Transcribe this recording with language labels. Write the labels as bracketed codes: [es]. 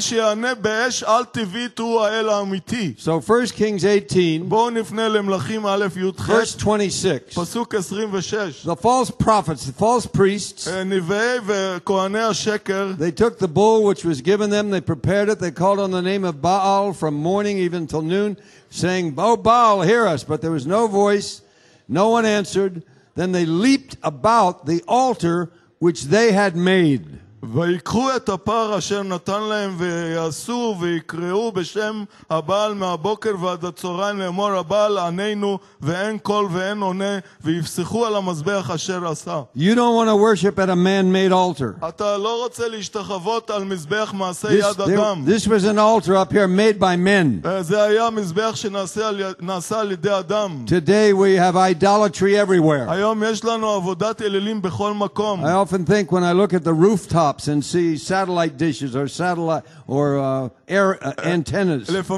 [en] So 1 Kings 18, verse 26. The false prophets, the false priests, they took the bull which was given them, they prepared it, they called on the name of Baal from morning even till noon, saying, O Baal, hear us. But there was no voice, no one answered. Then they leaped about the altar which they had made. [he] ויקחו את הפר אשר נתן להם ויעשו ויקראו בשם הבעל מהבוקר ועד הצהריים לאמור הבעל ענינו ואין קול ואין עונה ויפסחו על המזבח אשר עשה. [en] You don't want to worship at a man-made altar. [he] אתה לא רוצה להשתחוות על מזבח מעשה יד אדם. [en] This was an altar up here made by men. [he] זה היה מזבח שנעשה על ידי אדם. [en] Today we have idolatry everywhere. [he] היום יש לנו עבודת אלילים בכל מקום. [en] I often think when I look at the rooftop and see satellite dishes or antennas.